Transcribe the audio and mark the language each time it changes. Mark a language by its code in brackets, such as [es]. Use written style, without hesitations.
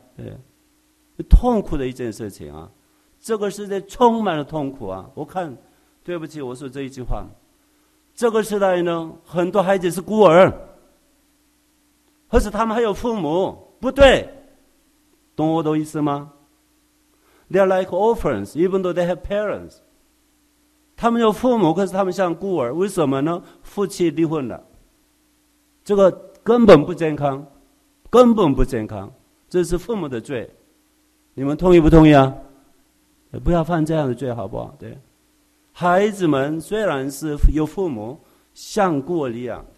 [zh] 对，痛苦的一件事情啊，这个世界充满了痛苦啊。我看，对不起，我说这一句话，这个时代呢，很多孩子是孤儿，或是他们还有父母，不对，懂我的意思吗？ [en] They are like orphans, even though they have parents. [zh] 他们有父母，可是他们像孤儿，为什么呢？夫妻离婚了，这个根本不健康，根本不健康，这是父母的罪，你们同意不同意啊？不要犯这样的罪，好不好？对，孩子们虽然是有父母，像孤儿一样。